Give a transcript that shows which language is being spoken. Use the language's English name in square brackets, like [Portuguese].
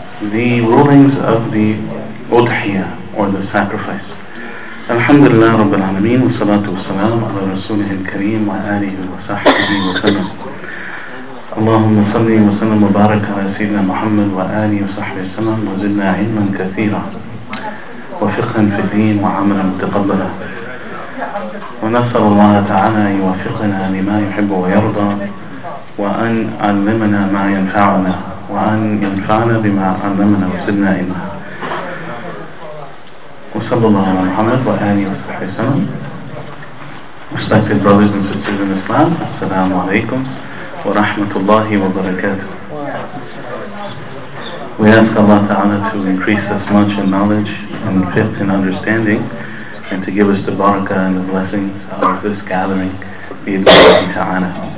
[English] The rulings of the udhiyah or the sacrifice. [Arabic] الحمد لله رب العالمين والصلاة والسلام على رسوله الكريم وآله وصحبه وسلم. اللهم صل وسلم وبارك على سيدنا محمد وآله وصحبه وسلم وزدنا علما كثيرا وفقها في الدين وعملا متقبلا. ونسأل الله تعالى يوفقنا لما يحب ويرضى وأن علمنا ما ينفعنا وأن ينفعنا بما علمنا وسدنا إما وصلى الله على محمد وآله وصحبه وسلم. [English] Respected brothers and sisters in Islam, [Arabic] السلام عليكم ورحمة الله وبركاته. [English] We ask Allah Ta'ala to increase us much in knowledge and fiqh in understanding, and to give us the barakah and the blessings of this gathering, bi-idhnihi ta'ala.